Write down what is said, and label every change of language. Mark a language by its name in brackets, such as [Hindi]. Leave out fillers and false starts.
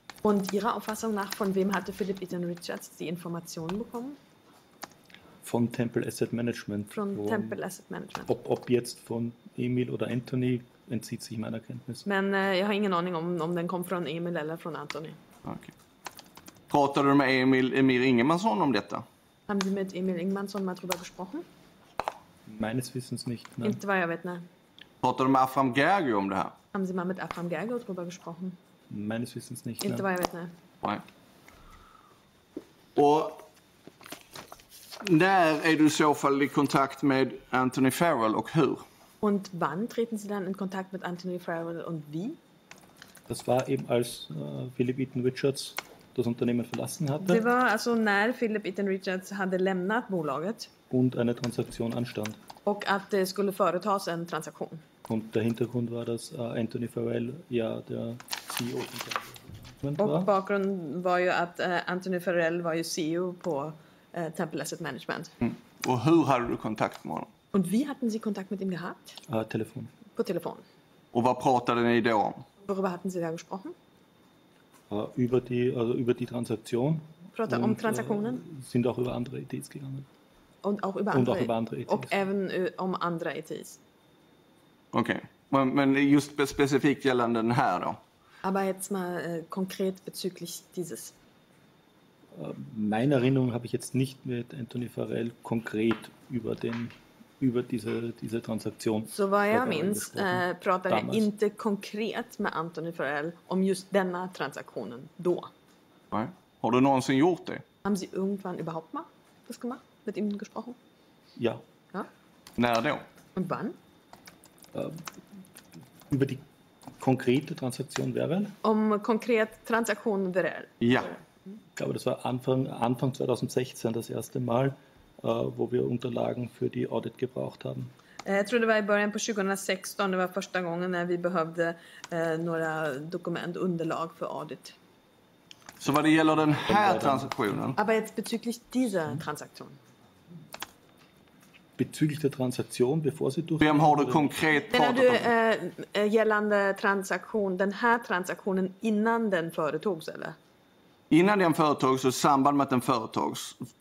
[German] Und Ihrer Auffassung nach, von wem hatte Philip Eaton Richards die Informationen bekommen? Von Temple Asset Management. Ob jetzt von Emil oder Anthony, entzieht sich meiner Kenntnis. [Swedish] Men jag har ingen aning om den kom från Emil eller från Anthony. Okay. Pratade du med Emil Ingemansson om detta? [German] Haben Sie mit Emil Ingemansson mal drüber gesprochen? Meines Wissens nicht, [Swedish] nein. Inte vad jag vet, nej. Pratade du med Afram Gergo om det här? [German] Haben Sie mal mit Afram Gergo drüber gesprochen? Meines Wissens nicht. [Swedish] Inte vad jag vet, nej. Nej. Och när är du i så fall i kontakt med Anthony Farrell och hur? [German] Und wann treten Sie dann in Kontakt mit Anthony Farrell und wie? Das war eben als Philip Eaton Richards das Unternehmen verlassen hatte. [Swedish] Det var alltså när Philip Eaton Richards hade lämnat bolaget. [German] Und eine Transaktion anstand. [Swedish] Och att det skulle företas en transaktion. [German] Und der Hintergrund war, dass Anthony Farrell ja der CEO von Temple Asset Management war. [Swedish] Bakgrund var ju att Anthony Farrell var ju CEO på Temple Asset Management. Mm. Och hur hade du kontakt med honom? [German] Und wie hatten Sie Kontakt mit ihm gehabt? Telefon. [Swedish] På telefon. Och vad pratade ni då om? [German] Worüber hatten Sie da gesprochen? Über die Transaktion. [Swedish] Prata om transaktionen? [German] Sind auch über andere ETIs gegangen. Und auch über andere ETIs. [Swedish] Och även om andra ETIs. Okej. Okay. Men just specifikt gällande den här då? [German] Aber jetzt mal konkret bezüglich dieses. Meine Erinnerung habe ich jetzt nicht mit Anthony Farrell konkret über den über diese Transaktion. [Swedish] So war ja minst pratade damals. Inte konkret med Anthony Farrell om just denna transaktionen då. Nej. Har du någonsin gjort det? [German] Haben Sie irgendwann überhaupt mal das gemacht? Mit ihm gesprochen? Ja. Ja? [Swedish] När då? [German] Und wann? Über die konkrete Transaktion Werbel? Um konkret Transaktion Werbel. Ja. Ich glaube, das war Anfang 2016 das erste Mal, wo wir Unterlagen für die Audit gebraucht haben. [Swedish] Jag tror det var i början på 2016, det var första gången när vi behövde några dokument, underlag för audit. Så vad det gäller den här transaktionen? [German] Aber jetzt bezüglich dieser Transaktion. bezüglich der Transaktion, bevor sie durchgeführt wurde? Wir haben heute konkret [Swedish] pratat om. Gällande transaktion, den här transaktionen innan den företogs, eller? Innan den företogs och samband med att den företogs.